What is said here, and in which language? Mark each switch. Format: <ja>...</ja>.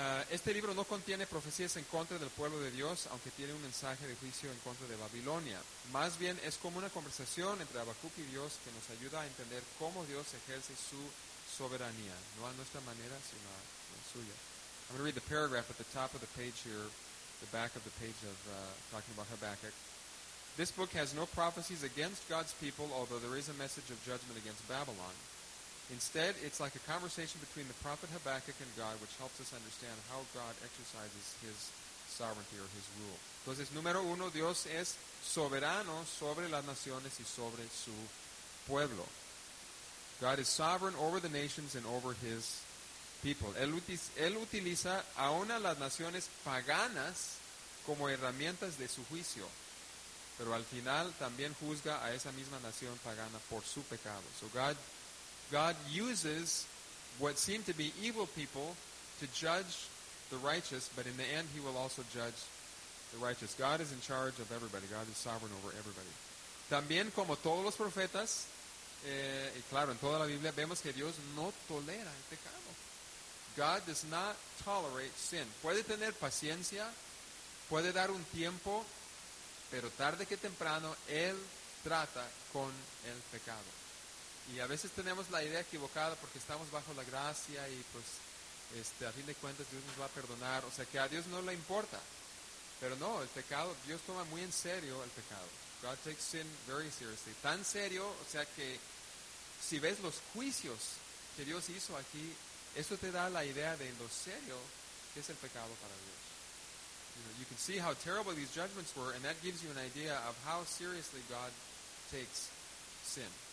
<es>Este libro no contiene profecías en contra del pueblo de Dios, aunque tiene un mensaje de juicio en contra de Babilonia. Más bien, es como una conversación entre Habacuc y Dios que nos ayuda a entender cómo Dios ejerce su soberanía, no a nuestra manera, sino a la suya.</es> <en>I'm going to read the paragraph at the top of the page here, the back of the page of talking about Habakkuk. This book has no prophecies against God's people, although there is a message of judgment against Babylon. Instead, it's like a conversation between the prophet Habakkuk and God, which helps us understand how God exercises his sovereignty or his rule.</en> <es>Entonces, número uno, Dios es soberano sobre las naciones y sobre su pueblo.</es> <en>God is sovereign over the nations and over his people.</en> <es>Él utiliza aún a las naciones paganas como herramientas de su juicio. Pero al final, también juzga a esa misma nación pagana por su pecado.</es> <en>So God uses what seem to be evil people to judge the righteous, but in the end, he will also judge the righteous. God is in charge of everybody. God is sovereign over everybody.</en> <es>También, como todos los profetas, y claro, en toda la Biblia, vemos que Dios no tolera el pecado.</es> <en>God does not tolerate sin.</en> <es>Puede tener paciencia, puede dar un tiempo, pero tarde que temprano, Él trata con el pecado. Y a veces tenemos la idea equivocada porque estamos bajo la gracia y pues a fin de cuentas Dios nos va a perdonar. O sea que a Dios no le importa. Pero no, el pecado, Dios toma muy en serio el pecado.</es> <en>God takes sin very seriously.</en> <es>Tan serio, o sea que si ves los juicios que Dios hizo aquí, eso te da la idea de lo serio que es el pecado para Dios.</es> <en>You know, you can see how terrible these judgments were and that gives you an idea of how seriously God takes sin.</en>